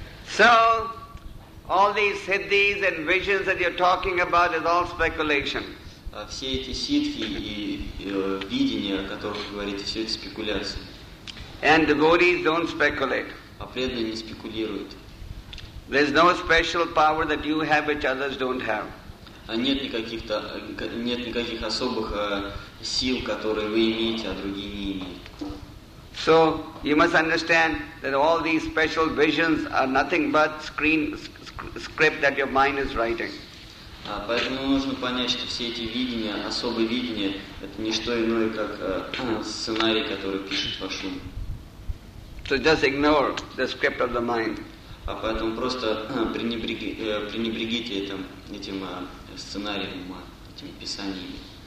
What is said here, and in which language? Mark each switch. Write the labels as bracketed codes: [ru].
[en] So, all these siddhis and visions that you're talking about is all speculation. [ru] Все эти ситхи и видения, о которых вы говорите, все это спекуляции. [en] And devotees don't speculate. [ru] А преданные не спекулируют. [en] There's no special power that you have which others don't have. [ru] Нет никаких особых сил, которые вы имеете, а другие не имеют. [en] So you must understand that all these special visions are nothing but script that your mind is writing. [ru] Поэтому нужно понять, что все эти видения, особые видения, это не что иное, как сценарий, который пишет ваш ум. [en] So just ignore the script of the mind. [ru] А поэтому просто пренебрегите этим сценарием ума, этими писаниями.